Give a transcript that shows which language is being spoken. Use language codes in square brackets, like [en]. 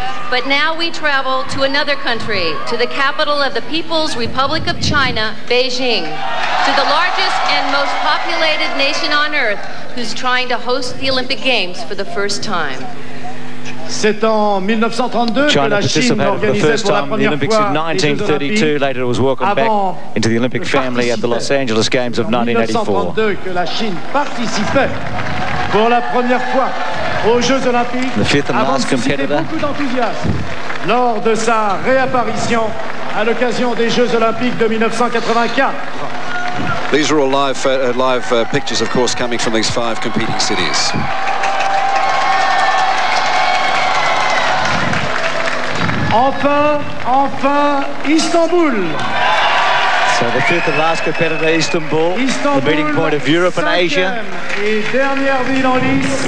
[en] But now we travel to another country, to the capital of the People's Republic of China, Beijing, to the largest and most populated nation on earth, who's trying to host the Olympic Games for the first time. [fr] C'est en 1932 [en] China participated for the first time in the Olympics in 1932. Later, it was welcomed back into the Olympic family at the Los Angeles Games of 1984. [fr] Que la Chine participait pour la première fois aux Jeux Olympiques. [en] The fifth and last competitor. [fr] Lors de sa réapparition à l'occasion des Jeux Olympiques de 1984. [en] These are all live pictures, of course, coming from these five competing cities. [fr] Enfin, Istanbul. [en] So the fifth and last competitor, Istanbul, the meeting point of Europe and Asia.